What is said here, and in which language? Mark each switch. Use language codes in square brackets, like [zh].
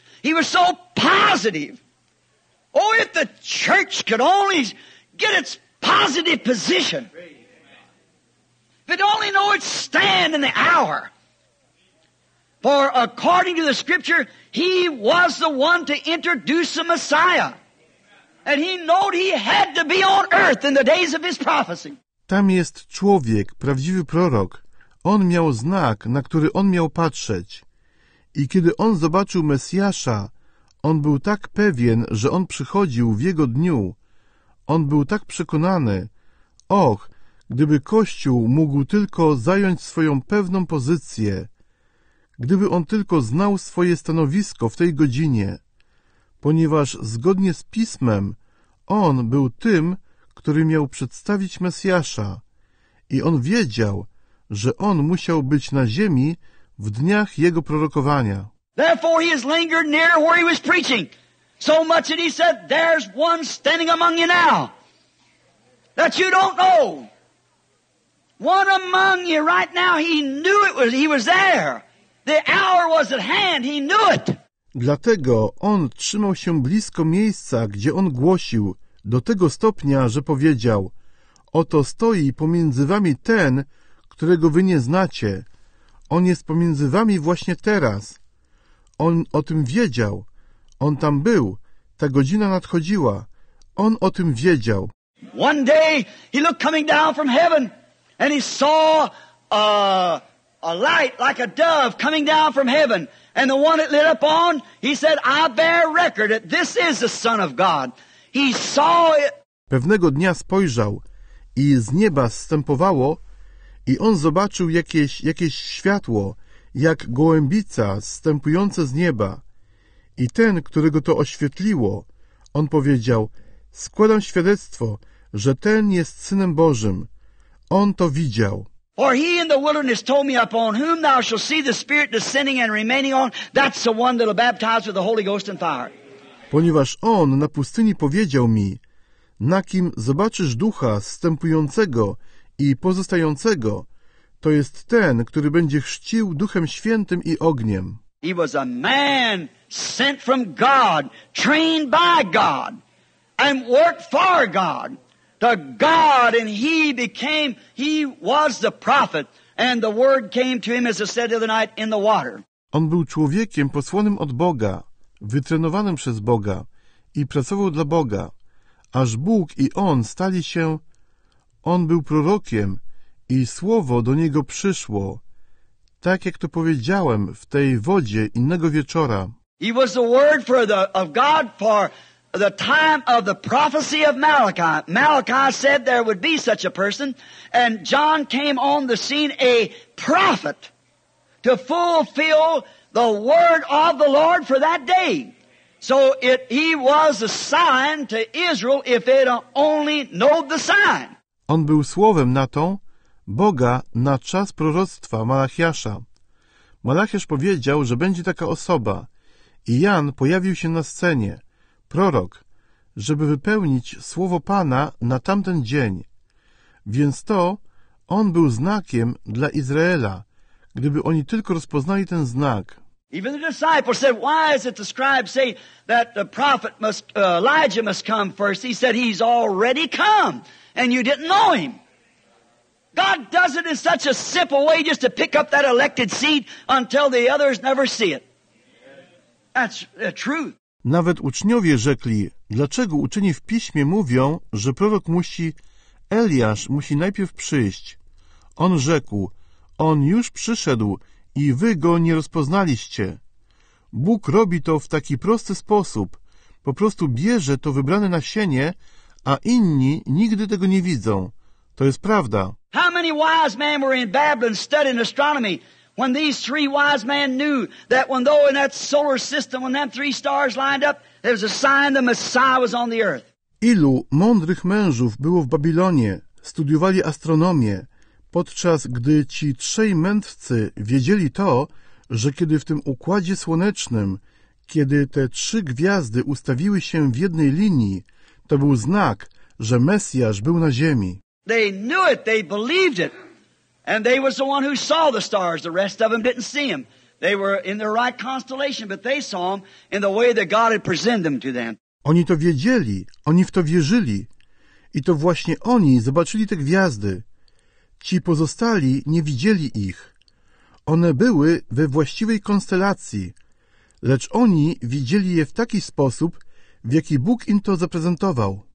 [en] He was so positive. Oh, if the church could only get its positive position. If it only know its stand in the hour. For according to the scripture, he was the one to introduce the Messiah. And he knew he had to be on earth in the days of his prophecy. [pl] Tam jest człowiek, prawdziwy prorok. On miał znak, na który on miał patrzeć. I kiedy on zobaczył Mesjasza, on był tak pewien, że on przychodził w jego dniu. On był tak przekonany. Och, gdyby Kościół mógł tylko zająć swoją pewną pozycję. Gdyby on tylko znał swoje stanowisko w tej godzinie. Ponieważ zgodnie z Pismem on był tym, który miał przedstawić Mesjasza i on wiedział, że on musiał być na ziemi w dniach jego prorokowania. [en] Therefore he has lingered near where he was preaching, so much that he said, there's one standing among you now that you don't know. One among you right now, he knew it was, he was there. The hour was at hand, he knew it. [pl] Dlatego on trzymał się blisko miejsca, gdzie on głosił, do tego stopnia, że powiedział, oto stoi pomiędzy wami ten, którego wy nie znacie. On jest pomiędzy wami właśnie teraz. On o tym wiedział. On tam był. Ta godzina nadchodziła. On o tym wiedział. [en] One day he looked coming down from heaven and he saw a light like a dove coming down from heaven. And the one it lit up on, he said, I bear record that this is the Son of God. He saw it. [pl] Pewnego dnia spojrzał i z nieba zstępowało i on zobaczył jakieś światło, jak gołębica zstępująca z nieba. I ten, którego to oświetliło, on powiedział, składam świadectwo, że ten jest Synem Bożym. On to widział. [en] For he in the wilderness told me upon whom thou shalt see the Spirit descending and remaining on, that's the one that will baptize with the Holy Ghost and fire. [pl] Ponieważ on na pustyni powiedział mi, na kim zobaczysz ducha zstępującego i pozostającego, to jest ten, który będzie chrzcił Duchem Świętym i ogniem. [en] He was a man sent from God, trained by God, and worked for God. To God, and he was the prophet, and the word came to him, as I said the other night, in the water. [pl] On był człowiekiem posłanym od Boga, wytrenowanym przez Boga i pracował dla Boga, aż Bóg i on stali się, on był prorokiem i słowo do niego przyszło, tak jak to powiedziałem w tej wodzie innego wieczora. [en] He was the word of God for the time of the prophecy of Malachi. Malachi said there would be such a person, and John came on the scene a prophet to fulfill the word of the Lord for that day. So he was a sign to Israel if it only know the sign. [pl] On był słowem na tą Boga na czas proroctwa Malachiasza. Malachiasz powiedział, że będzie taka osoba i Jan pojawił się na scenie. Prorok, żeby wypełnić słowo Pana na tamten dzień. Więc to on był znakiem dla Izraela, gdyby oni tylko rozpoznali ten znak. [en] Even the disciples said, why is it the scribes say that the prophet must, Elijah must come first? He said, he's already come, and you didn't know him. God does it in such a simple way just to pick up that elected seed until the others never see it. That's the truth. [pl] Nawet uczniowie rzekli, dlaczego uczeni w piśmie mówią, że prorok musi, Eliasz musi najpierw przyjść. On rzekł, on już przyszedł i wy go nie rozpoznaliście. Bóg robi to w taki prosty sposób, po prostu bierze to wybrane nasienie, a inni nigdy tego nie widzą. To jest prawda. [en] How many wise men were in Babylon studying astronomy? When these three wise men knew that when though in that solar system, when them three stars lined up, there was a sign the Messiah was on the earth. [pl] Ilu mądrych mężów było w Babilonie, studiowali astronomię, podczas gdy ci trzej mędrcy wiedzieli to, że kiedy w tym układzie słonecznym, kiedy te trzy gwiazdy ustawiły się w jednej linii, to był znak, że Mesjasz był na ziemi. [en] They knew it, they believed it. And they was the one who saw the stars. The rest of them didn't see him. They were in the right constellation, but they saw him in the way that God had presented them to them. [pl] Oni to wiedzieli, oni w to wierzyli. I to właśnie oni zobaczyli te gwiazdy. Ci pozostali nie widzieli ich. One były we właściwej konstelacji, lecz oni widzieli je w taki sposób, w jaki Bóg im to zaprezentował.